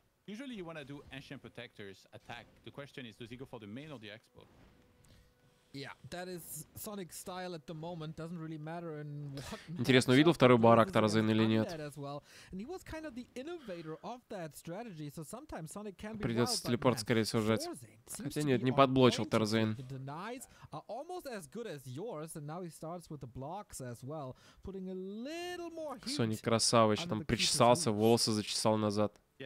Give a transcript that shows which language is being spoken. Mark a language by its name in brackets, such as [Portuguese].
[English] Usually you want to do Ancient Protectors attack. The question is, does he go for the main or the expo? Yeah, that is Sonic's style at the moment. Doesn't really matter in what. [Russian] Интересно, увидел второй барак Тарзан или нет? [English] And he was kind of the innovator of that strategy, so sometimes Sonic can be. [Russian] Придется телепорт скорее всего жать. Хотя нет, не подблочил Тарзан. [English] The denies are almost as good as yours, and now he starts with the blocks as well, putting a little more heat. [Russian] Соник красавыч, там причесался, волосы зачесал назад.